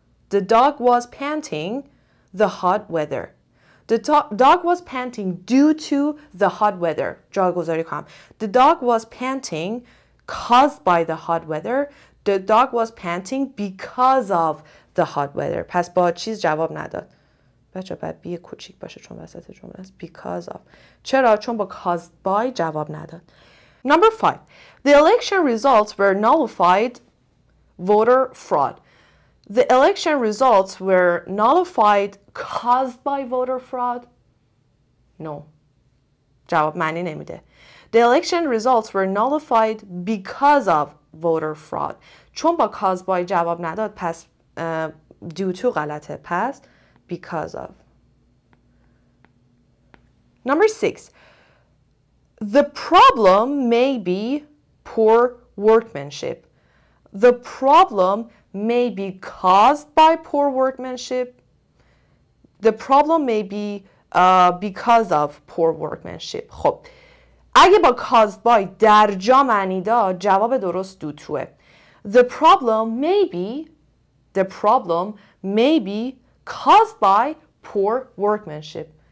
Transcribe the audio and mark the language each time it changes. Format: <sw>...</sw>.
<en>The dog was panting the hot weather. The dog was panting due to the hot weather. The dog was panting caused by the hot weather. The dog was panting because of the hot weather.</en> <fa>پس با چیز جواب نداد. بچه باید بی کوچیک باشه چون وسط جمله است.</fa> <en>Because of.</en> <fa>چرا؟ چون با</fa> <en>caused by</en> <fa>جواب نداد.</fa> <en>Number 5. The election results were nullified voter fraud. The election results were nullified caused by voter fraud? No.</en> <fa>جواب معنی نمیده.</fa> <en>The election results were nullified because of voter fraud.</en> <fa>چون با</fa> <en>caused by</en> <fa>جواب نداد پس</fa> <en>due to</en> <fa>غلطه پس</fa> <en>because of. Number 6. The problem may be poor workmanship. The problem may be caused by poor workmanship. The problem may be because of poor workmanship.</en> <fa>خب اگه با</fa> <en>caused by</en> <fa>در جا معنی داد جواب درست دو توه.</fa> <en>The problem may be caused by poor workmanship.</en>